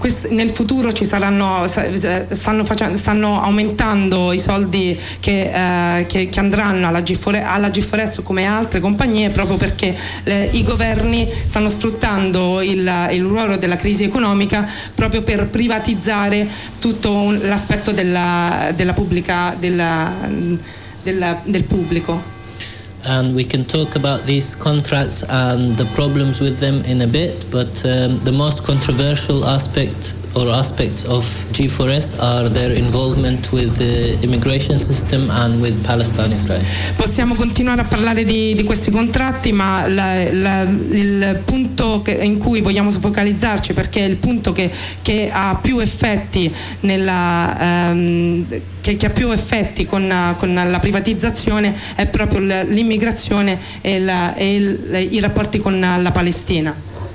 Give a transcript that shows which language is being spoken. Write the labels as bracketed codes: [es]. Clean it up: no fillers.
[it] Nel futuro ci saranno, stanno aumentando i soldi che andranno alla G4S come altre compagnie proprio perché i governi stanno sfruttando il ruolo della crisi economica proprio per privatizzare tutto l'aspetto della pubblica del pubblico. [en] and we can talk about these contracts and the problems with them in a bit, but the most controversial aspect or aspects of G4S are their involvement with the immigration system and with Palestine Israel. [it] Possiamo continuare a parlare di questi contratti, ma il punto in cui vogliamo focalizzarci, perché è il punto che ha più effetti nella che ha più effetti con la privatizzazione, è proprio l'immigrazione e i rapporti con la Palestina.